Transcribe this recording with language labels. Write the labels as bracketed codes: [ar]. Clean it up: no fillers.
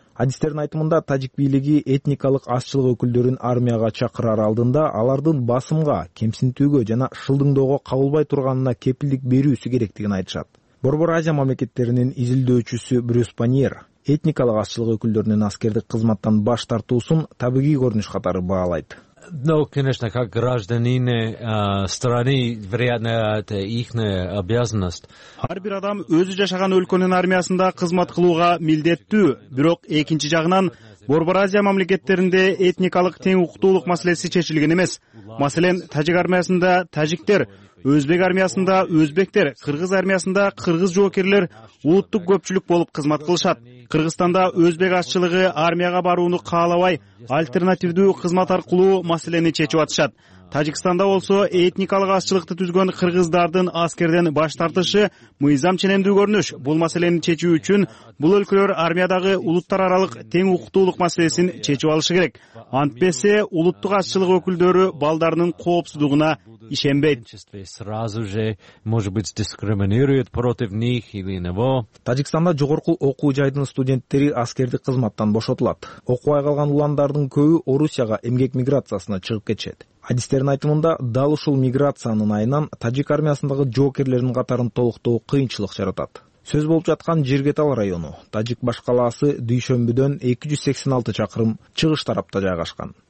[ky] Адистердин айтымында тажик бийлиги этникалык азчылык өкүлдөрүн армияга чакырар алдында алардын басымга, кемсинтүүгө жана шылдыңдоого кабылбай турганына кепилдик берүүсү керектигин айтышат. Борбор Азия мамлекеттеринин изилдөөчүсү Брюс Паньер этникалык азчылык өкүлдөрүнүн аскердик кызматтан баш тартуусун табигый көрүнүш катары баалайт. [ru] Но, конечно, как гражданины страны, вероятно, это ихняя обязанность. [ky] Ар бир адам өзү жашаган өлкөнүн армиясында кызмат кылууга милдеттүү, бирок экинчи жагынан Борбор Азия мамлекеттеринде этникалык тең укуктуулук маселеси чечилген эмес. Маселен, тажик армиясында тажиктер, өзбек армиясында өзбектер, кыргыз армиясында кыргыз жоокерлер улуттук көпчүлүк болуп кызмат кылышат. Кыргызстанда өзбек азчылыгы армияга барууну каалабай, альтернативдүү кызмат аркылуу маселени чечип атышат. Тажикстанда болсо этникалык азчылыкты түзгөн кыргыздардын аскерден баш тартышы мыйзам ченемдүү көрүнүш. Бул маселени чечүү үчүн бул өлкөлөр армиядагы улуттар аралык тең укуктуулук маселесин чечип алышы керек. Антпесе улуттук азчылык өкүлдөрү балдарынын коопсуздугуна ишенбейт. [ru] Сразу же, может быть, дискриминируют против них или него. [ky] Тажикстанда жогорку окуу жайдын студенттери аскердик кызматтан бошотулат. Окубай калган уландардын көбү Орусияга эмгек миграциясына чыгып кетишет. Адистердин айтымында дал ушул миграциянын айынан тажик армиясындагы жоокерлердин катарын толуктоо кыйынчылык жаратат. Сөз болуп жаткан Жиргетал району, тажик баш калаасы дүйшөмбүдөн 286 чакырым чыгыш тарапта жайгашкан.